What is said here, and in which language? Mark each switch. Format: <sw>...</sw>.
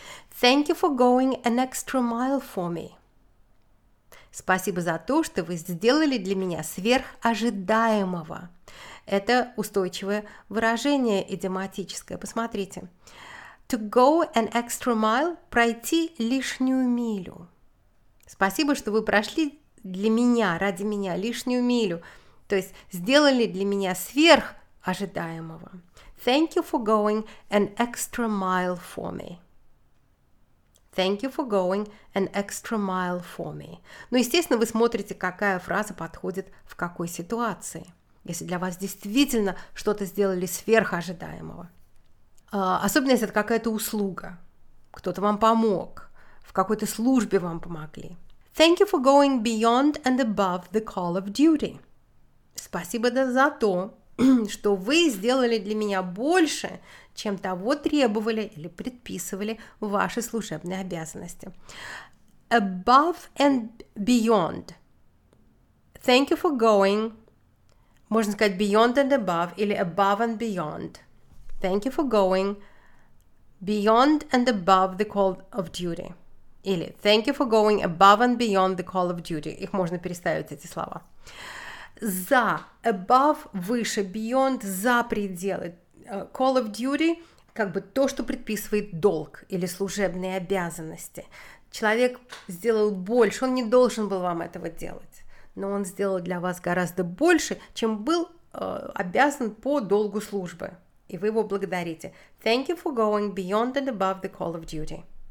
<en>Thank you for going an extra mile for me.</en> <ru>Спасибо за то, что вы сделали для меня сверхожидаемого. Это устойчивое выражение идиоматическое. Посмотрите. To go an extra mile – пройти лишнюю милю. Спасибо, что вы прошли для меня, ради меня лишнюю милю. То есть сделали для меня сверхожидаемого.</ru> <en>Thank you for going an extra mile for me. Thank you for going an extra mile for me.</en> <ru>Ну, естественно, вы смотрите, какая фраза подходит в какой ситуации. Если для вас действительно что-то сделали сверхожидаемого. Особенно, если это какая-то услуга. Кто-то вам помог. В какой-то службе вам помогли.</ru> <en>Thank you for going beyond and above the call of duty.</en> <ru>Спасибо за то, что вы сделали для меня больше, чем того требовали или предписывали ваши служебные обязанности.</ru> <en>Above and beyond. Thank you for going.</en> <ru>Можно сказать</ru> <en>beyond and above или above and beyond. Thank you for going beyond and above the call of duty. Или thank you for going above and beyond the call of duty.</en> <ru>Их можно переставить, эти слова. За, above, выше, beyond, за пределы.</ru> <en>Call of duty,</en> <ru>как бы то, что предписывает долг или служебные обязанности. Человек сделал больше, он не должен был вам этого делать, но он сделал для вас гораздо больше, чем был обязан по долгу службы. И вы его благодарите.</ru> <en>Thank you for going beyond and above the call of duty.</en>